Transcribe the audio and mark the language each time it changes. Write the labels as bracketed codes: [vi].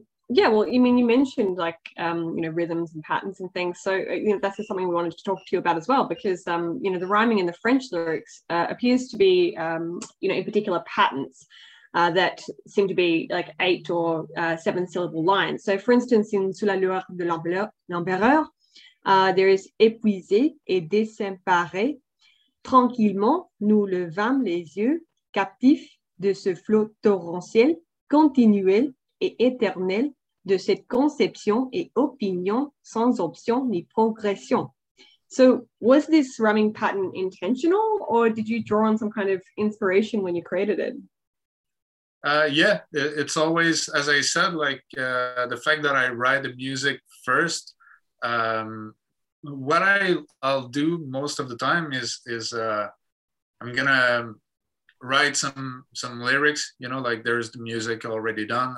[en] Yeah, well, I mean, you mentioned like, you know, rhythms and patterns and things. So, you know, that's just something we wanted to talk to you about as well, because, you know, the rhyming in the French lyrics appears to be, you know, in particular patterns that seem to be like 8 or 7 syllable lines. So, for instance, in [fr] Sous la lueur de l'empereur, [en] there is [fr] épuisé et désemparé, tranquillement nous levâmes les yeux, captifs de ce flot torrentiel, continuel et éternel. De cette conception et opinion sans option ni progression. [en] So was this rhyming pattern intentional or did you draw on some kind of inspiration when you created it? Yeah, it's always, as I said, like the fact that I write the music first, what I'll do most of the time is I'm gonna write some lyrics, you know, like there's the music already done.